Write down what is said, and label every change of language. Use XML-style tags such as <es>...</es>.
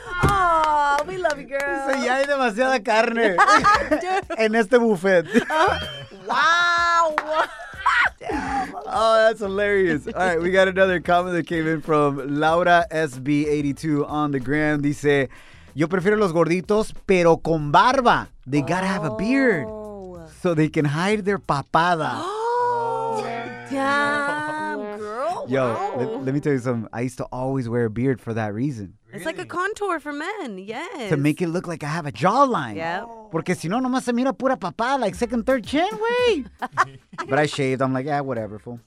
<en>Oh, we love you, girl.</en> <es>Dice, ya hay demasiada carne en este buffet.</es> <en>Wow. Oh, that's hilarious. All right, we got another comment that came in from LauraSB82 on the gram.</en> <es>Dice, yo prefiero los gorditos, pero con barba.</es> <en>They gotta have a beard so they can hide their papada. Oh, damn, girl. Yo, wow. Let me tell you something. I used to always wear a beard for that reason. Really? It's like a contour for men, yes. To make it look like I have a jawline. Yeah.</en> <es>Porque si no, nomás se mira pura papada,</es> <en>like second, third chin, wey. But I shaved. I'm like, whatever, fool.</en>